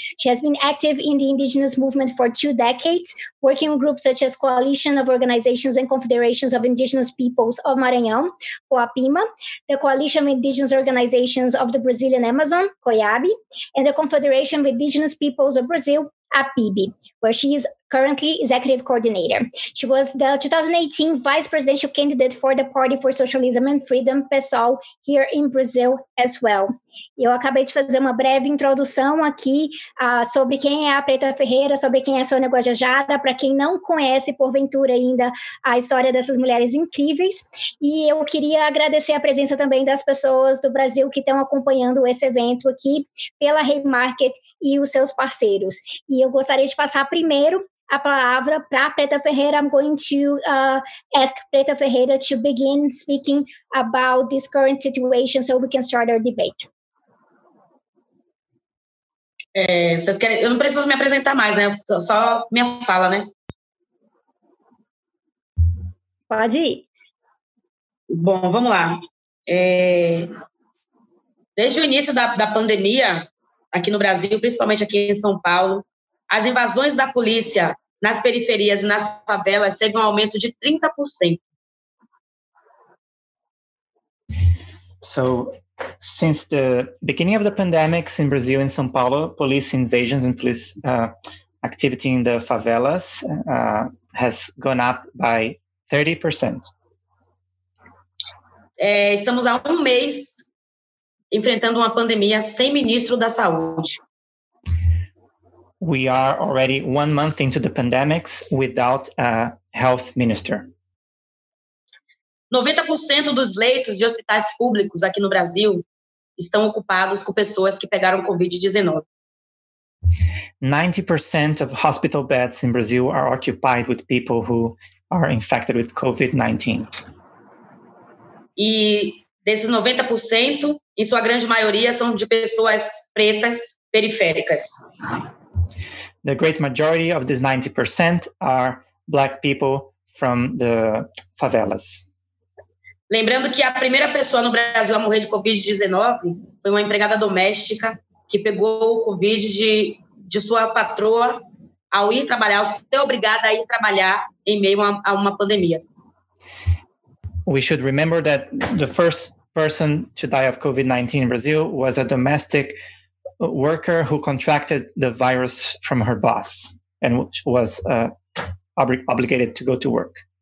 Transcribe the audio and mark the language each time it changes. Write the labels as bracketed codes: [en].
[en] She has been active in the indigenous movement for two decades, working with groups such as Coalition of Organizations and Confederations of Indigenous Peoples of Maranhão, COAPIMA, the Coalition of Indigenous Organizations of the Brazilian Amazon, COIAB, and the Confederation of Indigenous Peoples of Brazil, APIB, where she is currently executive coordinator. She was the 2018 vice presidential candidate for the Party for Socialism and Freedom, PSOL, here in Brazil as well. [pt] Eu acabei de fazer uma breve introdução aqui sobre quem é a Preta Ferreira, sobre quem é a Sonia Guajajara, para quem não conhece, porventura, ainda a história dessas mulheres incríveis. E eu queria agradecer a presença também das pessoas do Brasil que estão acompanhando esse evento aqui pela Haymarket e os seus parceiros. E eu gostaria de passar primeiro a palavra para Preta Ferreira. [en] I'm going to ask Preta Ferreira to begin speaking about this current situation so we can start our debate. [pt] Vocês querem, eu não preciso me apresentar mais, né? Só minha fala, né? Pode ir. Bom, vamos lá. Desde o início da pandemia, aqui no Brasil, principalmente aqui em São Paulo, as invasões da polícia nas periferias e nas favelas teve um aumento de 30%. [en] Since the beginning of the pandemics in Brazil and São Paulo, police invasions and police activity in the favelas has gone up by 30%. [pt] Estamos há um mês enfrentando uma pandemia sem ministro da saúde. [en] We are already 1 month into the pandemics without a health minister. [pt] 90% dos leitos de hospitais públicos aqui no Brasil estão ocupados com pessoas que pegaram COVID-19. [en] 90% of hospital beds in Brazil are occupied with people who are infected with COVID-19. [pt] E desses 90%, em sua grande maioria, são de pessoas pretas periféricas. [en] The great majority of these 90% are black people from the favelas. [pt] Lembrando que a primeira pessoa no Brasil a morrer de COVID-19 foi uma empregada doméstica que pegou o COVID de, de sua patroa ao ir trabalhar, ao ser obrigada a ir trabalhar em meio a uma pandemia. [en] We should remember that the first person to die of COVID-19 in Brazil was a domestic worker who contracted the virus from her boss and which was obligated to go to work.